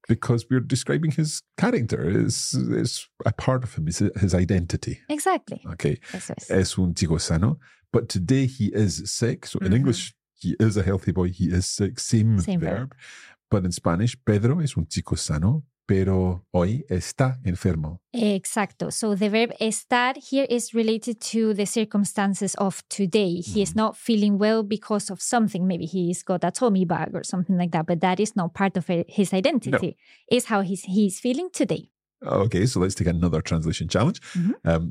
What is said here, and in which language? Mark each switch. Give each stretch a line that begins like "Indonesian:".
English: Because we're describing his character. It's a part of him, it's his identity. Exactly. Okay,
Spanish: eso es.
English: Es un chico sano, but today he is sick. So in mm-hmm. English, he is a healthy boy, he is sick, same verb.
Spanish: But in Spanish, Pedro es un chico sano, pero hoy está enfermo. Exacto.
English: So the verb estar here is related to the circumstances of today. He mm-hmm. is not feeling well because of something. Maybe he's got a tummy bug or something like that, but that is not part of his identity. No. It's how he's feeling today. Okay, so let's take another translation challenge. Mm-hmm.